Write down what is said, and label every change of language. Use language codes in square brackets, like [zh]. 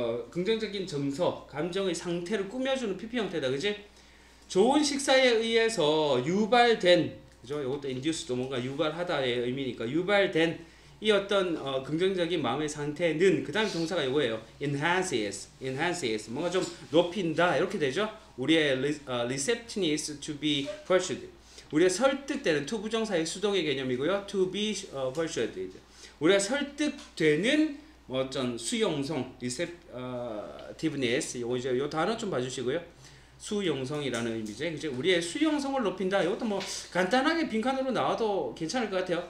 [ko] 긍정적인 정서, 감정의 상태를 꾸며주는 PP 형태다. 그치? 좋은 식사에 의해서 유발된, 그죠? 요것도 induce도 뭔가 유발하다의 의미니까 유발된 이 어떤 긍정적인 마음의 상태는 그 다음 동사가 이거예요. [en] Enhances, enhances. [ko] 뭔가 좀 높인다 이렇게 되죠. 우리의 [en] receptiveness to be persuaded. [ko] 우리의 설득되는 to 부정사의 수동의 개념이고요. [en] To be persuaded. [ko] 우리가 설득되는 어떤 수용성, receptiveness. 요거 이제 요 단어 좀 봐주시고요. 수용성이라는 의미죠. 이제 우리의 수용성을 높인다. 이것도 뭐 간단하게 빈칸으로 나와도 괜찮을 것 같아요.